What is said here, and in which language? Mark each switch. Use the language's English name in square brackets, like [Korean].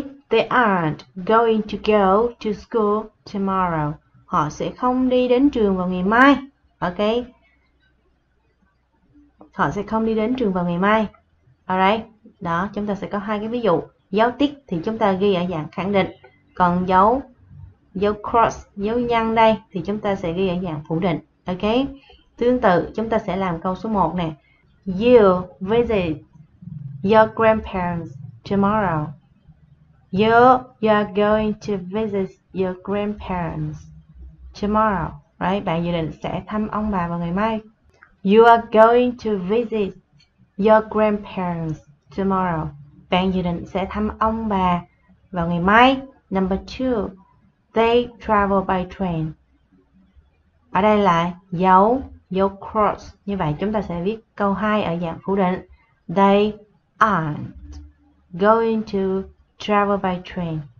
[English] They aren't going to go to school tomorrow. [Vietnamese] Họ sẽ không đi đến trường vào ngày mai. Ok. Họ sẽ không đi đến trường vào ngày mai. Alright. Đó, chúng ta sẽ có hai cái ví dụ. Dấu tích thì chúng ta ghi ở dạng khẳng định. Còn dấu cross, dấu nhân đây thì chúng ta sẽ ghi ở dạng phủ định. Ok. Tương tự, chúng ta sẽ làm câu số 1 nè. [English] You visit your grandparents tomorrow. You are going to visit your grandparents tomorrow, right? [Vietnamese] Bạn dự định sẽ thăm ông bà vào ngày mai. [English] You are going to visit your grandparents tomorrow. [Vietnamese] Bạn dự định sẽ thăm ông bà vào ngày mai. [English] Number 2. They travel by train. [Vietnamese] Ở đây là dấu cross. Như vậy chúng ta sẽ viết câu 2 ở dạng phủ định. [English] They aren't going to travel by train.